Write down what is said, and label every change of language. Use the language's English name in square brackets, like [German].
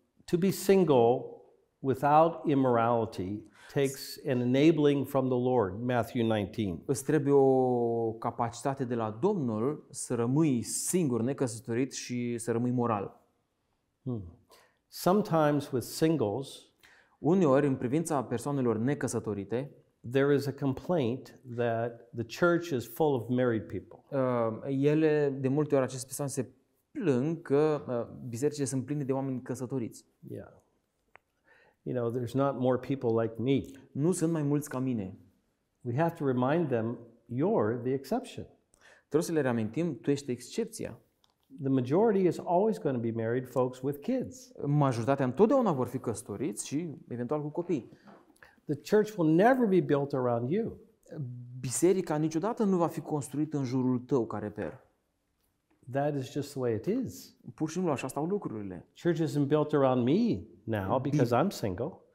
[English] To be single without immorality takes an enabling from the Lord, Matthew 19. [Romanian] Îți trebuie o capacitate de la Domnul să rămâi singur, necăsătorit și să rămâi moral. [English] Sometimes with singles, [Romanian] uneori în privința persoanelor necăsătorite, [English] there is a complaint that the church is full of married people. [Romanian] Ele de multe ori aceste persoane se plâng că bisericile sunt pline de oameni căsătoriți. [English] Yeah. You know, there's not more people like me. [Romanian] Nu sunt mai mulți ca mine. [English] We have to remind them you're the exception. [Romanian] Trebuie să le reamintim, tu ești excepția. [English] The majority is always going to be married folks with kids. [Romanian] Majoritatea întotdeauna vor fi căsătoriți și eventual cu copii. [English] The church will never be built around you. [Romanian] Biserica niciodată nu va fi construită în jurul tău ca reper. [English] That is just the way it is. [Romanian] Pur și simplu așa stau lucrurile. [English] Church isn't built around me now because I'm single.